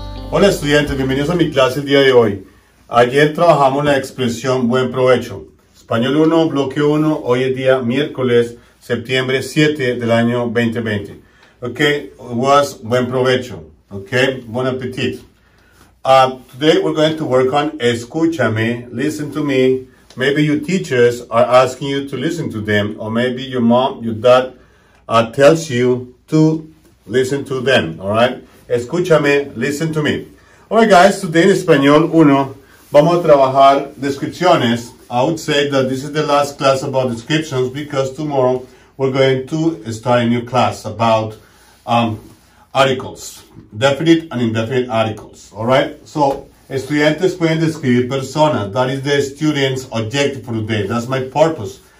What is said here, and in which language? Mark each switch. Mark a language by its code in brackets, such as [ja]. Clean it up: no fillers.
[es] Hola estudiantes, bienvenidos a mi clase el día de hoy. Ayer trabajamos la expresión buen provecho. Español 1, bloque 1, hoy es día miércoles, septiembre 7 del año 2020. [en] Ok, was buen provecho. Ok, bon appetit. Today we're going to work on escúchame, listen to me. Maybe your teachers are asking you to listen to them, or maybe your mom, your dad tells you to listen to them, all right? Escúchame, listen to me. All right, guys, today in Español 1, [es] vamos a trabajar descripciones. [en] I would say that this is the last class about descriptions because tomorrow we're going to start a new class about articles, definite and indefinite articles, all right? So, [es] estudiantes pueden describir personas. [en] That is the student's objective for today. That's my purpose.